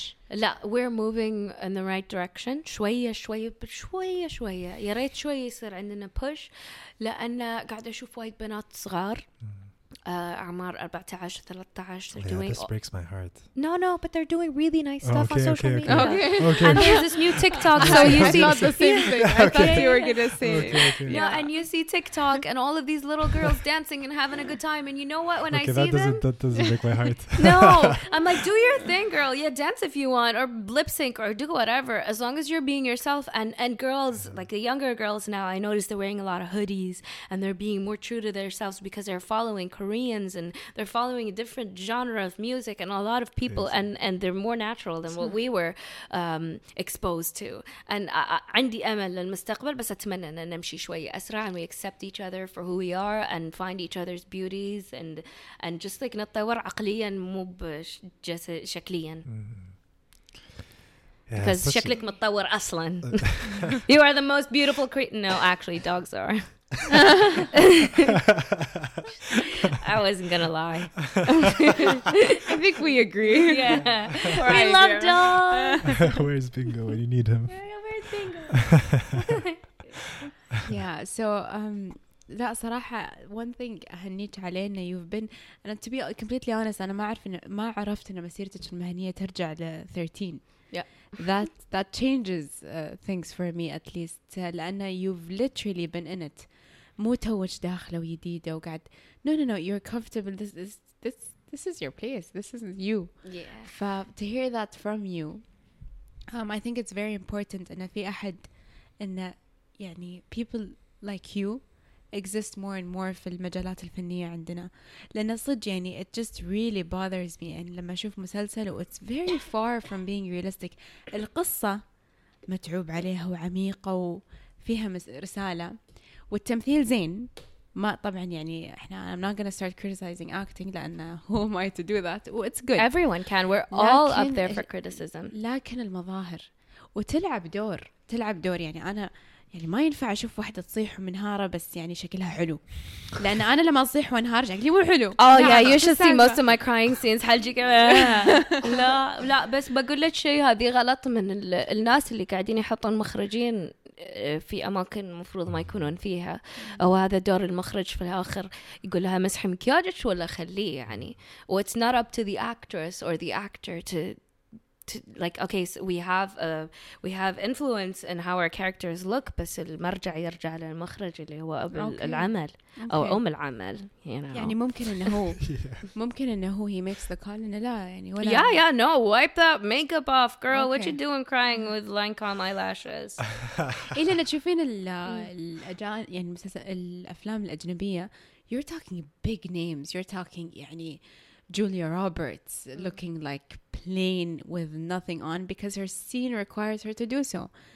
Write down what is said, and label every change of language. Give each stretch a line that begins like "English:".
Arabic: لا,
English: we're moving in the right direction.
Arabic: شوية شوية بشوية شوية. يا ريت شوية يصير عندنا push. لأن قاعدة أشوف وايد بنات صغار. أعمار 14-13.
English: Yeah, this breaks my heart. No, but they're doing really nice stuff on social media. Okay. And there's this new TikTok. So you see, not the same thing. I thought you were gonna say. Okay. Yeah, and you see TikTok and all of these little girls dancing and having a good time. And you know what? When I see them, that doesn't break my heart. No, I'm like, do your thing, girl. Yeah, dance if you want, or lip sync, or do whatever. As long as you're being yourself. And girls, like the younger girls now, I notice they're wearing a lot of hoodies and they're being more true to themselves because they're following Koreans and they're following a different genre of music and a lot of people, yes. and they're more natural than what we were exposed to. And
Arabic: عندي أمل للمستقبل, بس أتمنى أن نمشي شوية أسرع,
English: and we accept each other for who we are and find each other's beauties and just like
Arabic: نتطور عقليا مو بجس شكليا.
English: Because yeah,
Arabic: شكلك متطور أصلا.
English: You are the most beautiful creature. No, actually, dogs are. I wasn't gonna lie. I think we agree. Yeah, we love dogs. Where's Bingo when you need him? Where's Bingo? Yeah. So,
Arabic: لا صراحة,
English: one thing
Arabic: هنيت علينا,
English: you've been, and to be completely honest,
Arabic: أنا ما عرفت إن مسيرتك المهنية ترجع ل 13.
English: That changes things for me at least,
Arabic: لأن
English: you've literally been in it.
Arabic: مو توج داخله ويديده وقعد
English: no, you're comfortable, this is your place, this isn't you. Yeah. To hear that from you, I think it's very important
Arabic: ان في احد, ان يعني
English: people like you exist more and more
Arabic: في المجالات الفنية عندنا, لان صدق يعني
English: it just really bothers me,
Arabic: يعني لما اشوف مسلسل
English: it's very far from being realistic,
Arabic: القصة متعوب عليها وعميقة وفيها رسالة, والتمثيل زين, ما طبعا يعني احنا
English: I'm not gonna start criticizing acting,
Arabic: لأن
English: who am I to do that, it's good, everyone can, we're all up there for criticism,
Arabic: لكن المظاهر وتلعب دور يعني أنا يعني ما ينفع أشوف واحدة تصيح ومنهارة بس يعني شكلها حلو, لأن أنا لما أصيح وانهار شكلي مو حلو.
English: Oh yeah, you should see most of my crying scenes.
Arabic: حلجي كمان. لا بس بقول لك شيء, هذه غلط من الناس اللي قاعدين يحطون مخرجين في أماكن مفروض ما يكونون فيها. أو هذا دور المخرج في الآخر يقول لها مسحي مكياجك ولا خليه يعني.
English: What's not up to the actress or the actor to like, okay, so we have influence in how our characters look,
Arabic: بس المرجع يرجع للمخرج اللي هو أب العمل أو أم العمل,
English: you know.
Arabic: يعني ممكن إنه هو ممكن إنه هو
English: he makes the call
Arabic: إنه لا يعني ولا.
English: Yeah, yeah, no, wipe that makeup off, girl. Okay. What you doing crying with Lancome eyelashes?
Arabic: إيه لأن تشوفين الأجان يعني مثلا الأفلام الأجنبية,
English: you're talking big names, you're talking
Arabic: يعني
English: Julia Roberts looking like plain with nothing on because her scene requires her to do so.